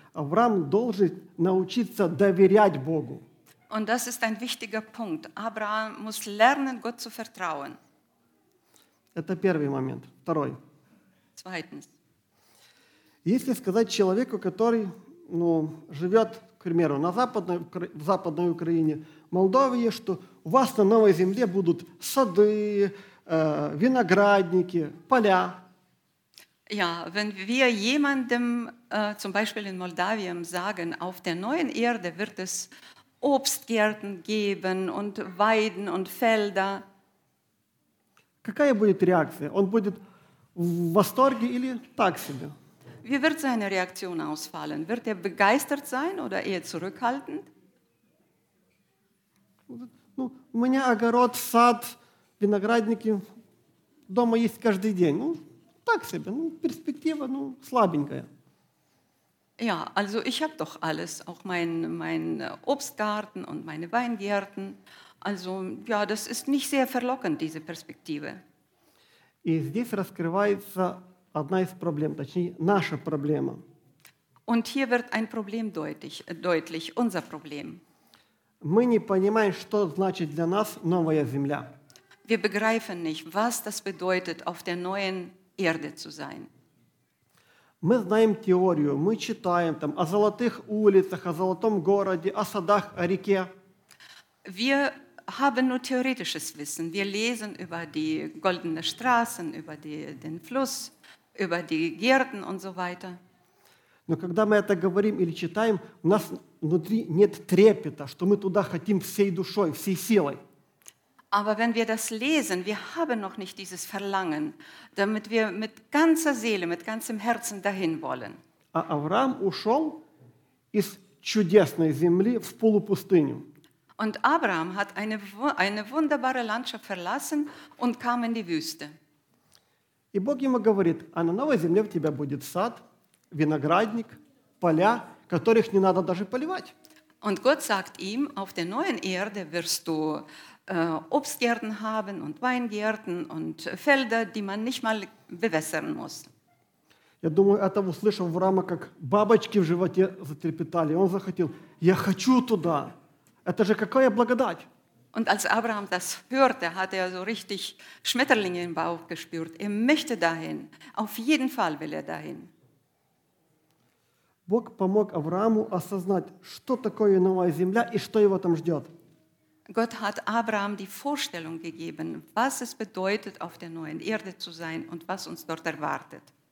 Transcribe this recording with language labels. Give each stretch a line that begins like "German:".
Russian: Авраам должен научиться доверять Богу.
German: Und das ist ein wichtiger Punkt. Abraham muss lernen, Gott zu vertrauen.
Russian: Это первый момент. Второй.
German: Zweitens.
Russian: Если сказать человеку, который живет, к примеру, в западной Украине, Молдове, что у вас на новой земле будут сады, виноградники, поля.
German: Ja, wenn wir jemandem zum Beispiel in Moldawien sagen, auf der neuen Erde wird es Obstgärten geben und Weiden und Felder.
Russian: Какая будет реакция? Он будет в восторге или так себе?
German: Wie wird seine Reaktion ausfallen? Wird er begeistert sein oder eher zurückhaltend?
Russian: Ну, у меня огород, сад, виноградники, дома есть каждый день. Ну, так себе, перспектива, слабенькая.
German: Ja, also ich habe doch alles, auch mein Obstgarten und meine Weingärten. Also ja, das ist nicht sehr verlockend, diese Perspektive.
Russian: И здесь раскрывается одна из проблем, точнее, наша проблема.
German: Und hier wird ein Problem deutlich, unser Problem.
Russian: Мы не понимаем, что значит для нас новая земля.
German: Wir begreifen nicht, was das bedeutet, auf der neuen Erde zu sein.
Russian: Мы знаем теорию, мы читаем там о золотых улицах, о золотом городе, о садах, о реке.
German: Wir haben nur theoretisches Wissen. Wir lesen über die goldenen Straßen, über den Fluss, über die Gärten und so weiter.
Russian: Но когда мы это говорим или читаем, у нас внутри нет трепета, что мы туда хотим всей душой, всей силой.
German: Aber wenn wir das lesen, wir haben noch nicht dieses Verlangen, damit wir mit ganzer Seele, mit ganzem Herzen dahin wollen.
Russian: А Авраам ушел из чудесной земли в полупустыню.
German: Und Abraham hat eine wunderbare Landschaft verlassen und kam in die Wüste.
Russian: И Бог ему говорит: а на новой земле у тебя будет сад, виноградник, поля, которых не надо даже поливать.
German: Und Gott sagt ihm: auf der neuen Erde wirst du Obstgärten haben und Weingärten und Felder, die man nicht mal bewässern muss.
Russian: Я думаю, это услышал Авраам, как бабочки в животе затрепетали. Он захотел: я хочу туда. Это же какая благодать!
German: Und als Abraham das hörte, hat so richtig Schmetterlinge im Bauch gespürt. Möchte dahin. Auf jeden Fall will dahin.
Russian: Бог помог Аврааму осознать, что такое новая земля и что его там ждет.
German: Gott hat Abraham die Vorstellung gegeben, was es bedeutet, auf der neuen Erde zu sein und was uns dort erwartet.